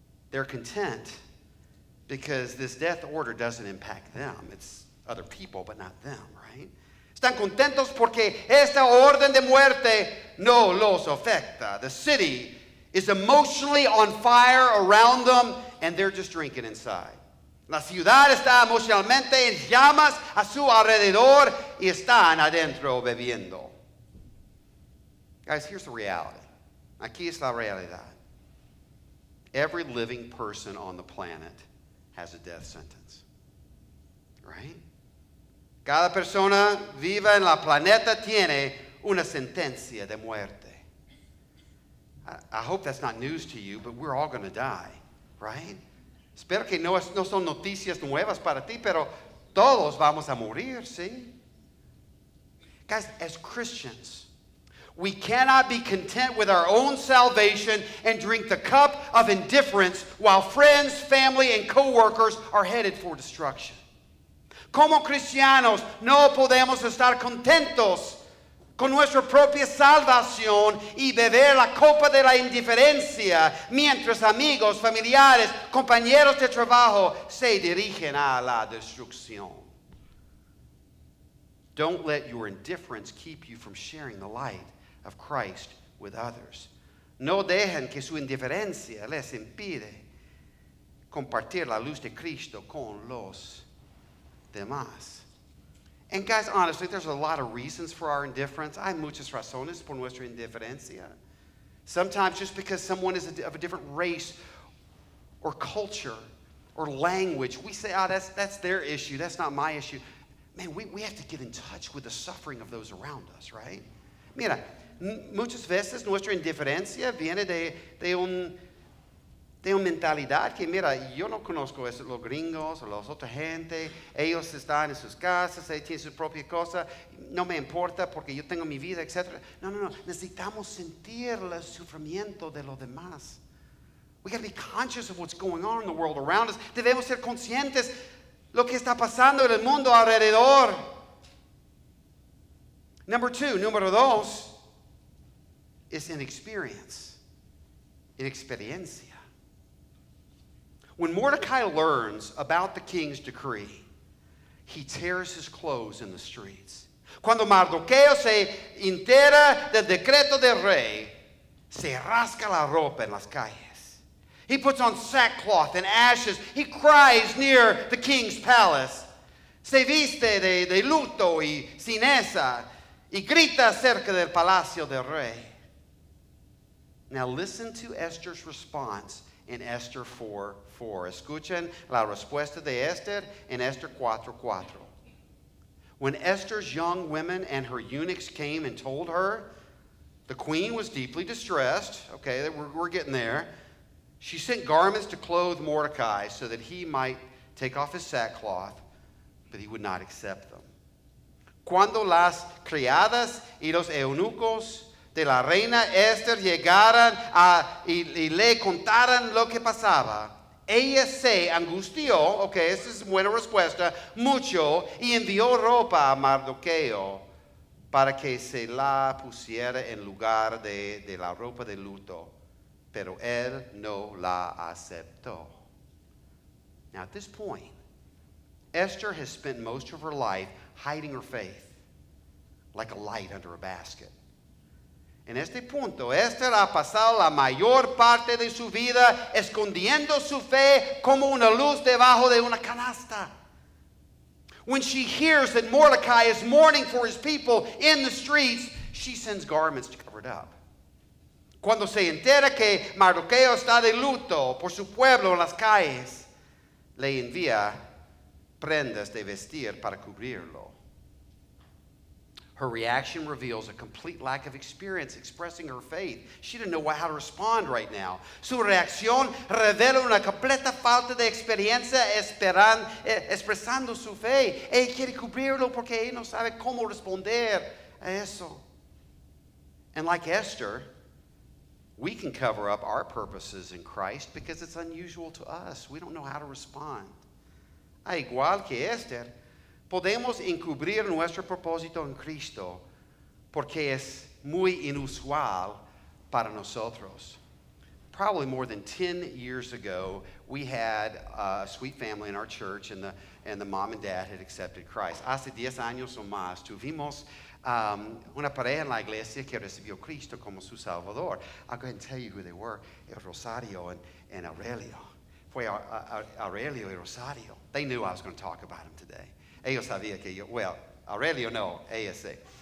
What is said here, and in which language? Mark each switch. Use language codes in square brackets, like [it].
[en] They're content because this death order doesn't impact them. It's other people, but not them, right? [es] Están contentos porque esta orden de muerte no los afecta. [en] The city is emotionally on fire around them, and they're just drinking inside. [es] La ciudad está emocionalmente en llamas a su alrededor y están adentro bebiendo. [en] Guys, here's the reality. [es] Aquí está la realidad. [en] Every living person on the planet has a death sentence. Right? [es] Cada persona viva en la planeta tiene una sentencia de muerte. [en] I hope that's not news to you, but we're all going to die, right? [es] Espero que no son noticias nuevas para ti, pero todos vamos a morir, ¿sí? [en] Guys, as Christians, we cannot be content with our own salvation and drink the cup of indifference while friends, family, and co-workers are headed for destruction. [es] Como cristianos, no podemos estar contentos con nuestra propia salvación y beber la copa de la indiferencia mientras amigos, familiares, compañeros de trabajo se dirigen a la destrucción. [en] Don't let your indifference keep you from sharing the light of Christ with others. [es] No dejen que su indiferencia les impide compartir la luz de Cristo con los demás. [en] And guys, honestly, there's a lot of reasons for our indifference. [es] Hay muchas razones por nuestra indiferencia. [en] Sometimes just because someone is of a different race or culture or language, we say, oh, that's their issue. That's not my issue. Man, we have to get in touch with the suffering of those around us, right? [es] Mira, muchas veces nuestra indiferencia viene de una mentalidad que, mira, yo no conozco eso, los gringos o los otra gente. Ellos están en sus casas, ellos tienen su propia cosa. No me importa porque yo tengo mi vida, etc. No. Necesitamos sentir el sufrimiento de los demás. [en] We got to be conscious of what's going on in the world around us. [es] Debemos ser conscientes de lo que está pasando en el mundo alrededor. Número dos, es inexperience. Inexperiencia. [en] When Mordecai learns about the king's decree, he tears his clothes in the streets. [es] Cuando Mardoqueo se entera del decreto del rey, se rasca la ropa en las calles. [en] He puts on sackcloth and ashes. He cries near the king's palace. [es] Se viste de luto y cineza y grita cerca del palacio del rey. [en] Now listen to Esther's response in Esther 4:4. [es] Escuchen la respuesta de Esther en Esther 4:4. [en] When Esther's young women and her eunuchs came and told her, the queen was deeply distressed. Okay, we're getting there. She sent garments to clothe Mordecai so that he might take off his sackcloth, but he would not accept them. [es] Cuando las criadas y los eunucos de la reina Esther llegaron y le contaron lo que pasaba, ella se angustió, okay, esta es buena respuesta, mucho, y envió ropa a Mardoqueo para que se la pusiera en lugar de la ropa de luto, pero él no la aceptó. [en] Now at this point, Esther has spent most of her life hiding her faith like a light under a basket. [es] En este punto, Esther ha pasado la mayor parte de su vida escondiendo su fe como una luz debajo de una canasta. [en] When she hears that Mordecai is mourning for his people in the streets, she sends garments to cover it up. [es] Cuando se entera que Mardoqueo está de luto por su pueblo en las calles, le envía prendas de vestir para cubrirlo. [en] Her reaction reveals a complete lack of experience expressing her faith. She didn't know how to respond right now. [es] Su reacción revela una completa falta de experiencia expresando su fe. Ella quiere cubrirlo porque ella no sabe cómo responder a eso. [en] And like Esther, we can cover up our purposes in Christ because it's unusual to us. We don't know how to respond. [es] A igual que Esther, podemos encubrir nuestro propósito en Cristo porque es muy inusual para nosotros. [en] Probably more than 10 years ago, we had a sweet family in our church and the mom and dad had accepted Christ. [es] Hace 10 años o más, tuvimos una pareja en la iglesia que recibió Cristo como su Salvador. [en] I'll go ahead and tell you who they were, Rosario and Aurelio. [es] Fue Aurelio y Rosario. [en] They knew I was going to talk about them today. [es] Ellos sabía que yo, well, Aurelio no, ASA.